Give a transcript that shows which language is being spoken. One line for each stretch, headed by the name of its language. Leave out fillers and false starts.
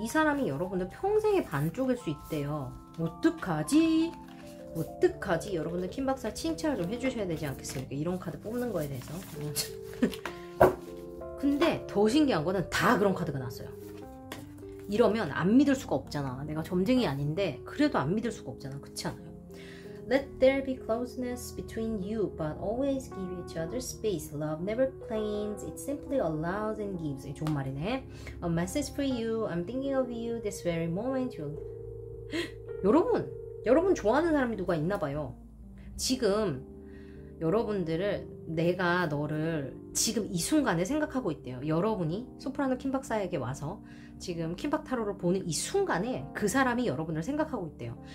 Korean: 이 사람이 여러분들 평생의 반쪽일 수 있대요. 어떡하지? 어떡하지? 여러분들 킴박사 칭찬을 좀 해주셔야 되지 않겠습니까? 이런 카드 뽑는 거에 대해서. 근데 더 신기한 거는 다 그런 카드가 나왔어요. 이러면 안 믿을 수가 없잖아. 내가 점쟁이 아닌데 그래도 안 믿을 수가 없잖아. 그렇지 않아요?
English: Let there be closeness between you, but always give each other space. Love never claims, it simply allows and gives.
Korean: 좋은 말이네.
English: A message for you, I'm thinking of you this very moment.
Korean: 여러분! 여러분 좋아하는 사람이 누가 있나 봐요. 지금 여러분들을, 내가 너를 지금 이 순간에 생각하고 있대요. 여러분이 소프라노 킴박사에게 와서 지금 킴박 타로를 보는 이 순간에 그 사람이 여러분을 생각하고 있대요.